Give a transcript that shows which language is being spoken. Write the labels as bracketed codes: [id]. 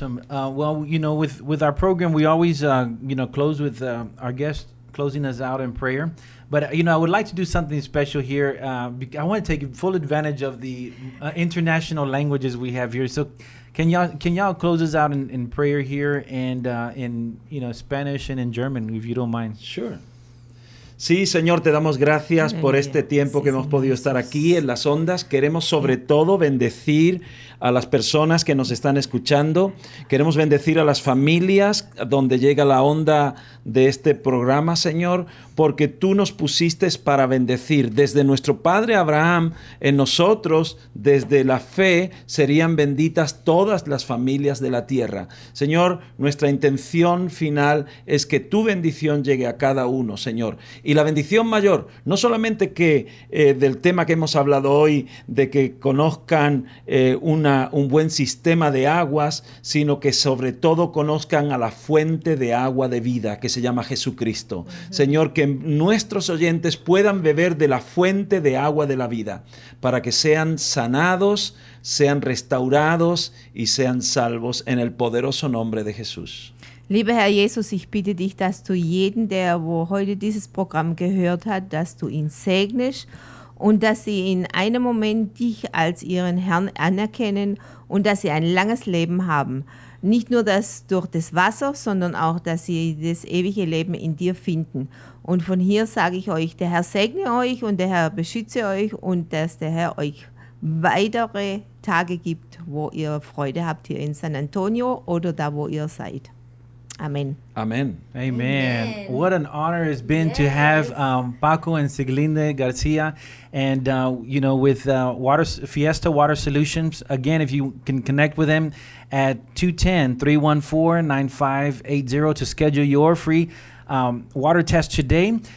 [en] Well, you know, with our program, we always you know, close with our guests closing us out in prayer. But, you know, I would like to do something special here. I want to take full advantage of the international languages we have here. So can y'all close us out in prayer here and in, you know, Spanish and in German, if you don't mind. Sure. [es] Sí, Señor, te damos gracias por este tiempo que hemos podido estar aquí en las ondas. Queremos sobre todo bendecir a las personas que nos están escuchando. Queremos bendecir a las familias donde llega la onda de este programa, Señor, porque tú nos pusiste para bendecir. Desde nuestro padre Abraham, en nosotros, desde la fe, serían benditas todas las familias de la tierra. Señor, nuestra intención final es que tu bendición llegue a cada uno, Señor. Y la bendición mayor, no solamente que del tema que hemos hablado hoy, de que conozcan un buen sistema de aguas, sino que sobre todo conozcan a la fuente de agua de vida, que se llama Jesucristo. Uh-huh. Señor, que nuestros oyentes puedan beber de la fuente de agua de la vida, para que sean sanados, sean restaurados y sean salvos en el poderoso nombre de Jesús. [de] Lieber Herr Jesus, ich bitte dich, dass du jeden, der wo heute dieses Programm gehört hat, dass du ihn segnest und dass sie in einem Moment dich als ihren Herrn anerkennen und dass sie ein langes Leben haben. Nicht nur das durch das Wasser, sondern auch, dass sie das ewige Leben in dir finden. Und von hier sage ich euch, der Herr segne euch und der Herr beschütze euch und dass der Herr euch weitere Tage gibt, wo ihr Freude habt hier in San Antonio oder da, wo ihr seid. Amen. Amen. Amen. Amen. [en] What an honor it's been to have Paco and Siglinde Garcia and, you know, with Fiesta Water Solutions. Again, if you can connect with them at 210-314-9580 to schedule your free water test today.